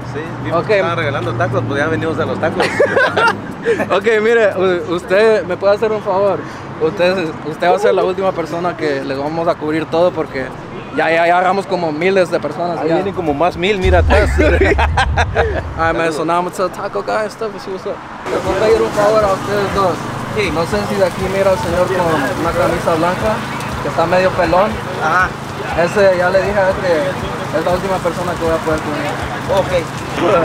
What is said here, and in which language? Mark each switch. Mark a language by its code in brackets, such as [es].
[es] Sí, vimos que estaban regalando tacos, pues ya venimos a los tacos. Ok, mire, usted me puede hacer un favor. Usted va a ser la última persona que les vamos a cubrir todo porque. Ya hagamos como miles de personas. Ahí vienen como más mil, mira atrás. [en] All right, man, so now I'm going to tell Taco Guy and stuff and see what's up. [es] Les voy a pedir un favor a ustedes dos. No sé si de aquí mira al señor con una camisa blanca, que está medio pelón. Ajá. Ese, ya le dije a este, es la última persona que voy a poder comer.